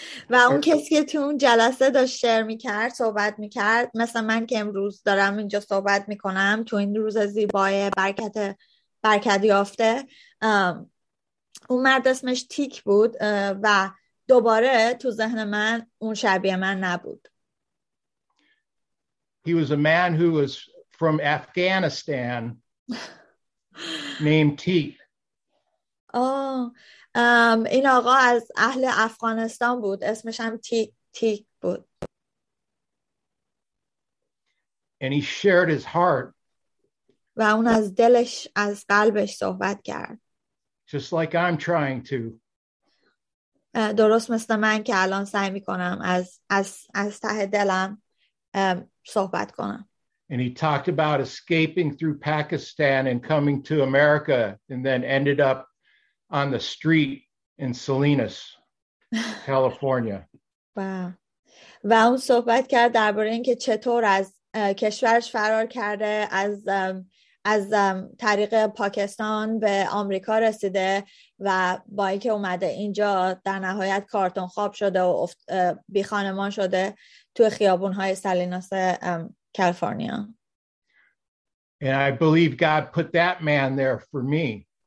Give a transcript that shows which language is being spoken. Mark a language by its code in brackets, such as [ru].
[fa] و اون کسی که تو اون جلسه داشت شیر میکرد، صحبت میکرد، مثل من که امروز دارم اینجا صحبت میکنم تو این روز زیبای برکت یافته، اون مرد اسمش تیک بود و دوباره تو ذهن من اون شبیه من نبود. [en] He was a man who was from Afghanistan named Teek. [fa] Oh, این آقا از اهل افغانستان بود. اسمش هم تیک بود. [en] And he shared his heart. [fa] و اون از دلش، از قلبش صحبت کرد. [en] Just like I'm trying to. [fa] درست مثل من که الان سعی می‌کنم از ته دلم صحبت کنم. [en] And he talked about escaping through Pakistan and coming to America and then ended up on the street in Salinas, California. [fa] و اون صحبت کرد درباره اینکه چطور از کشورش فرار کرده از طریق پاکستان به آمریکا رسیده و با اینکه اومده اینجا در نهایت کارتون خواب شده و بی خانمان شده تو خیابون‌های سالیناس کالیفرنیا. [en] And I believe God put that man there for me.